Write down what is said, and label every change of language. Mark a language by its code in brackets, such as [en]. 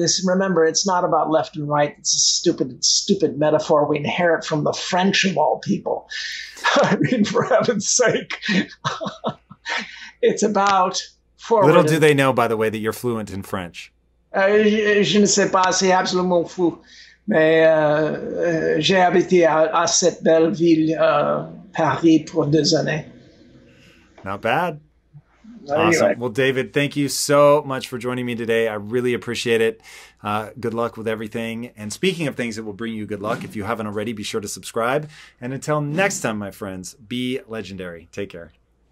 [en] This, remember, it's not about left and right. It's a stupid metaphor we inherit from the French, of all people. I mean, for heaven's sake. It's about forward. Little do they know, by the way, that you're fluent in French. [fr] Je ne sais pas, c'est absolument fou. Mais j'ai habité à cette belle ville, Paris, pour deux années. [en] Not bad. Anyway. Awesome. Well, David, thank you so much for joining me today. I really appreciate it. Good luck with everything. And speaking of things that will bring you good luck, if you haven't already, be sure to subscribe. And until next time, my friends, be legendary. Take care.